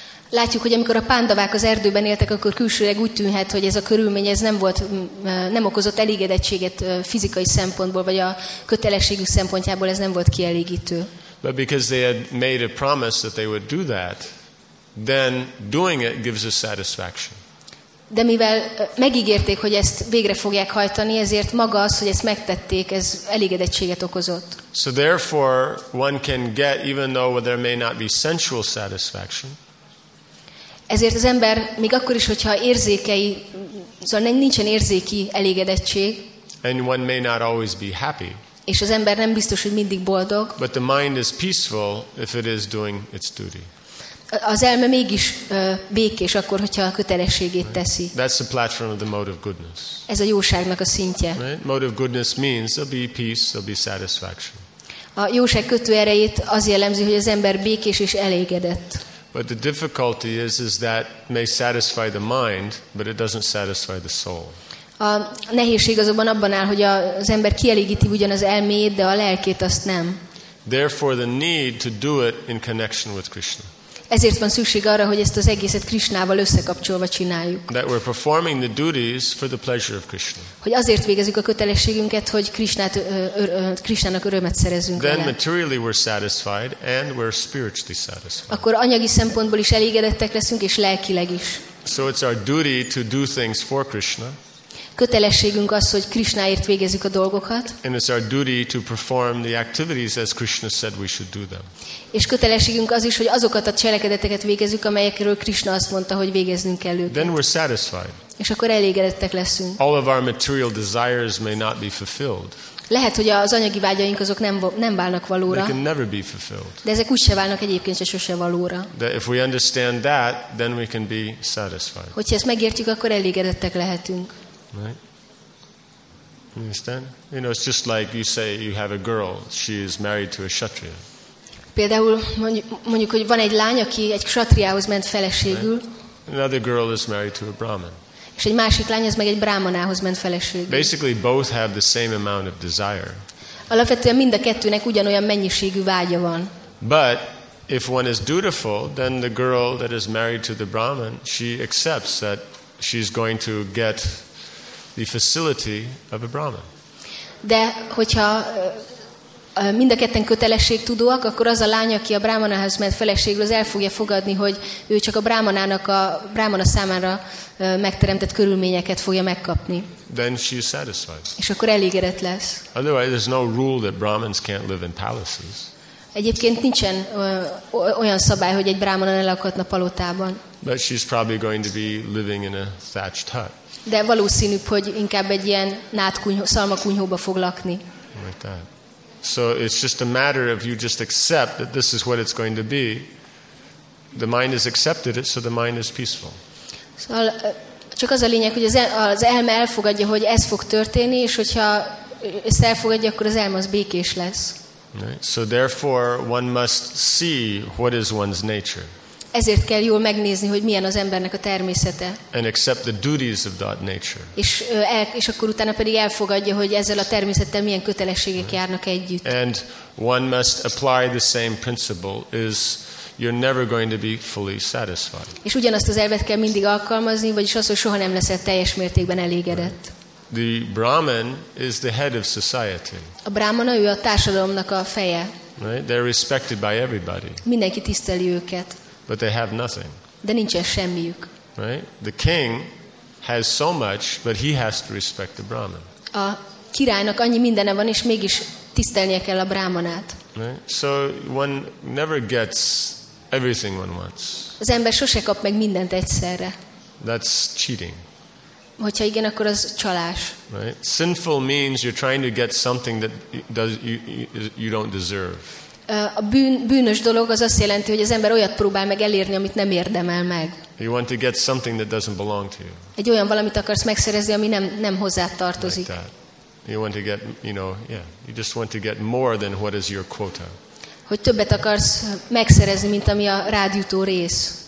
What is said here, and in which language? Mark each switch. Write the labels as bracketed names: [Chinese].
[Hungarian] Látjuk, hogy amikor a pándavák az erdőben éltek, akkor külsőleg úgy tűnhet, hogy ez a körülmény ez nem okozott elégedettséget fizikai szempontból, vagy a kötelességük szempontjából ez nem volt kielégítő. [English] But because they had made a promise that they would do that, then doing it gives a satisfaction. [Hungarian] De mivel megígérték, hogy ezt végre fogják hajtani, ezért maga az, hogy ezt megtették, ez elégedettséget okozott. [English] So therefore one can get, even though there may not be sensual satisfaction, [Hungarian] ezért az ember még akkor is, hogyha érzékei, szóval nincsen érzéki elégedettség. [English] And one may not always be happy. [Hungarian] És az ember nem biztos, hogy mindig boldog. [English] But the mind is peaceful if it is doing its duty. [Hungarian] Az elme mégis békés akkor, hogyha a kötelességét right? teszi. [English] That's the platform of the mode of goodness. [Hungarian] Ez a jóságnak a szintje. [English] Right? Mode of goodness means there'll be peace, there'll be satisfaction. [Hungarian] A jóság kötő erejét az jellemzi, hogy az ember békés és elégedett. [English] But the difficulty is that may satisfy the mind, but it doesn't satisfy the soul. [Hungarian] A nehézség azonban abban áll, hogy az ember kielégíti ugyan az elmét, de a lelkét azt nem. [English] Therefore the need to do it in connection with Krishna. [Hungarian] Ezért van szükség arra, hogy ezt az egészet Krisnával összekapcsolva csináljuk. [English] That we're performing the duties for the pleasure of Krishna. [Hungarian] Hogy azért végezzük a kötelességünket, hogy Krisnának örömet szerezünk. [English] Then materially we're satisfied and we're spiritually satisfied. [Hungarian] Akkor anyagi szempontból is elégedettek leszünk és lelkileg is. [English] So it's our duty to do things for Krishna. [Hungarian] Kötelességünk az, hogy Krisnáért végezzük a dolgokat. [English] And it's our duty to perform the activities as Krishna said we should do them. [Hungarian] És kötelességünk az is, hogy azokat a cselekedeteket végezzük, amelyekről Krishna azt mondta, hogy végeznünk kell őket. [English] Then we're satisfied. [Hungarian] És akkor elégedettek leszünk. [English] All of our material desires may not be fulfilled. [Hungarian] Lehet, hogy az anyagi vágyaink azok nem válnak valóra. [English] They can never be fulfilled. [Hungarian] De ezek úgyse válnak egyébként se sose valóra. [English] That if we understand that, then we can be satisfied. [Hungarian] Hogyha ezt megértjük, akkor elégedettek lehetünk. [English] Right? You understand? You know, it's just like you say you have a girl. She is married to a kshatriya. [Hungarian] Például mondjuk, hogy van egy lány, aki egy kshatriához ment feleségül. [English] Right? Another girl is married to a brahmin. [Hungarian] És egy másik lány az meg egy brahmanához ment feleségül. [English] Basically, both have the same amount of desire. [Hungarian] Alapvetően mind a kettőnek ugyanolyan mennyiségű vágya van. [English] But if one is dutiful, then the girl that is married to the brahmin, she accepts that she's going to get the facility of a brahmin. [Hungarian] De hogyha mind a ketten kötelességtudóak, akkor az a lány, aki a brámanához ment feleségül, az el fogja fogadni, hogy ő csak a brámanának a brámana számára megteremtett körülményeket fogja megkapni. [English] Then she is satisfied. [Hungarian] És akkor elégedett lesz. [English] Otherwise, there's no rule that brahmins can't live in palaces. [Hungarian] Egyébként nincsen olyan szabály, hogy egy brámana ne lakhatna palotában. [English] But she's probably going to be living in a thatched hut. [Hungarian] De valószínűbb, hogy inkább egy ilyen szalmakunyhóba fog lakni. [English] Like that. So it's just a matter of you just accept that this is what it's going to be. The mind has accepted it, so the mind is peaceful. [Hungarian] Szóval, csak az a lényeg, hogy az elme elfogadja, hogy ez fog történni, és hogyha ezt elfogadja, akkor az elme az békés lesz. [English] Right. So therefore one must see what is one's nature. [Hungarian] Ezért kell jól megnézni, hogy milyen az embernek a természete. [English] And accept the duties of that nature. [Hungarian] És akkor utána pedig elfogadja, hogy ezzel a természettel milyen kötelességek right. járnak együtt. [English] And one must apply the same principle is you're never going to be fully satisfied. [Hungarian] És ugyanazt az elvet kell mindig alkalmazni, vagyis az, hogy soha nem leszel teljes mértékben elégedett. [English] Right. The Brahmin is the head of society. [Hungarian] A brahmana, ő a társadalomnak a feje. [English] Right? They're respected by everybody. [Hungarian] Mindenki tiszteli őket. [English] But they have nothing. [Hungarian] De nincsen semmiük. [English] Right? The king has so much, but he has to respect the Brahmin. [Hungarian] A királynak annyi mindene van, és mégis tisztelnie kell a brahmanát. [English] Right? So one never gets everything one wants. [Hungarian] Az ember sose kap meg mindent egyszerre. [English] That's cheating. [Hungarian] Hogyha igen, akkor az csalás. [English] Right? Sinful means you're trying to get something that you don't deserve. [Hungarian] A bűnös dolog az azt jelenti, hogy az ember olyat próbál meg elérni, amit nem érdemel meg. [English] You want to get something that doesn't belong to you. [Hungarian] Egy olyan valamit akarsz megszerezni, ami nem hozzád tartozik. [English] Like that. You want to get, you know, yeah, you just want to get more than what is your quota. [Hungarian] Hogy többet akarsz megszerezni, mint ami a rád jutó rész.